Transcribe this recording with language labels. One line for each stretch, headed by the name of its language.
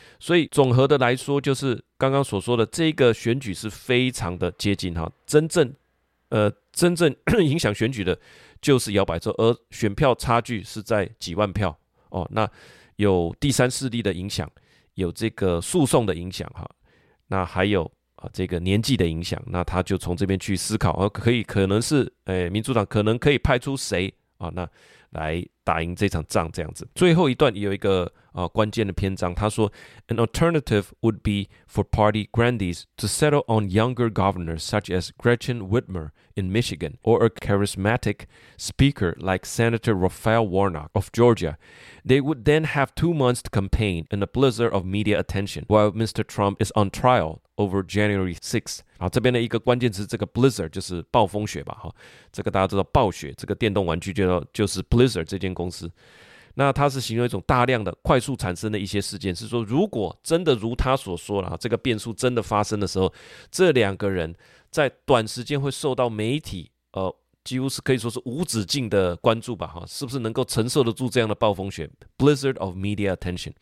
Chinese: 所以总和的来说，就是刚刚所说的这个选举是非常的接近哈，真正影响选举的就是摇摆州，而选票差距是在几万票哦。那有第三势力的影响，有这个诉讼的影响哈，那还有这个年纪的影响。那他就从这边去思考，可能是民主党可能可以派出谁啊，那来打赢这场仗这样子。最后一段也有一个关键的篇章，他说
English: ：“An alternative would be for party grandees to settle on younger governors such as Gretchen Whitmer in Michigan or a charismatic speaker like Senator Raphael Warnock of Georgia. They would then have 2 months to campaign and a blizzard of media attention while Mr. Trump is on trial over January 6th.”
Chinese: 好，这边的一个关键词，这个 blizzard 就是暴风雪吧？哈，这个大家知道暴雪，这个电动玩具就是 Blizzard 这间公司。那它是形容一种大量的快速产生的一些事件，是说如果真的如他所说了，这个变数真的发生的时候，这两个人在短时间会受到媒体几乎是可以说是无止境的关注吧，是不是能够承受得住这样的暴风雪
English: Blizzard of media attention。